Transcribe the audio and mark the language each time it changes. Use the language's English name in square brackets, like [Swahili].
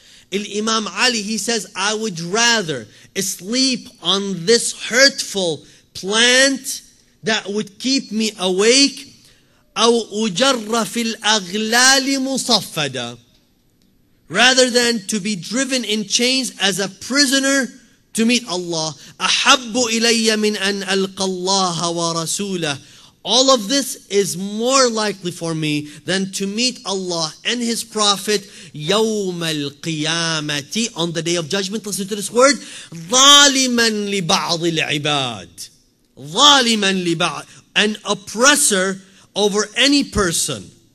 [English] Imam Ali, he says, I would rather sleep on this hurtful plant that would keep me awake, [Arabic] أو أجر في الأغلال مصفدة, [English] rather than to be driven in chains as a prisoner to meet Allah. [Arabic] أحب إلي من أن ألقى الله ورسوله. [English] All of this is more likely for me than to meet Allah and His Prophet [Arabic] يوم القيامة, [English] on the Day of Judgment. Listen to this word, [Arabic] ظالما لبعض العباد. ظَالِمًا لِبَعْضٍ, [English] an oppressor over any person.